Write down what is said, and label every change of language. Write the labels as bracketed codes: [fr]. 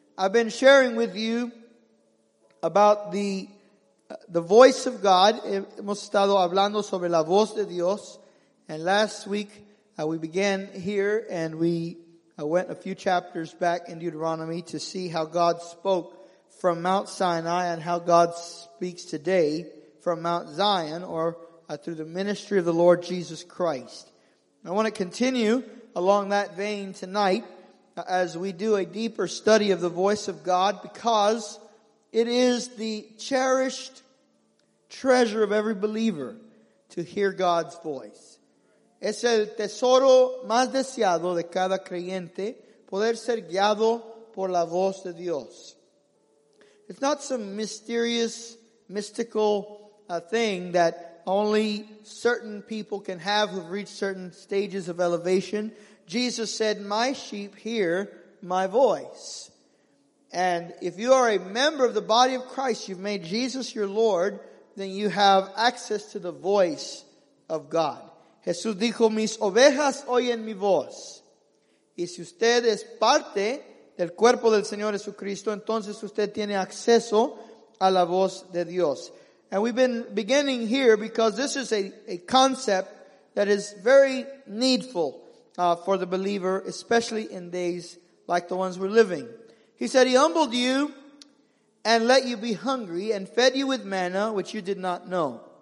[en] I've been sharing with you about the voice of God. [es] Hemos estado hablando sobre la voz de Dios. [en] And last week, we began here and we went a few chapters back in Deuteronomy to see how God spoke from Mount Sinai and how God speaks today from Mount Zion or through the ministry of the Lord Jesus Christ. I want to continue along that vein tonight as we do a deeper study of the voice of God, because it is the cherished treasure of every believer to hear God's voice. [es] Es el tesoro más deseado de cada creyente, poder ser guiado por la voz de Dios. [en] It's not some mysterious, mystical thing that only certain people can have who've reached certain stages of elevation. Jesus said, "My sheep hear my voice." And if you are a member of the body of Christ, you've made Jesus your Lord, then you have access to the voice of God. [es] Jesús dijo, "Mis ovejas oyen mi voz." Y si usted es parte del cuerpo del Señor Jesucristo, entonces usted tiene acceso a la voz de Dios. [en] And we've been beginning here because this is a concept that is very needful for the believer, especially in days like the ones we're living. He said, "He humbled you and let you be hungry and fed you with manna, which you did not know.